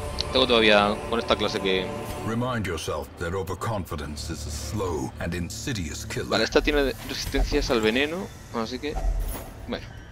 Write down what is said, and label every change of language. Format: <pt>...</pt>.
<es>Tengo todavía con esta clase que...</es> <en>Remind yourself that overconfidence is a slow and insidious killer.</en> <es>Vale, esta tiene resistencias al veneno, así que bueno.</es>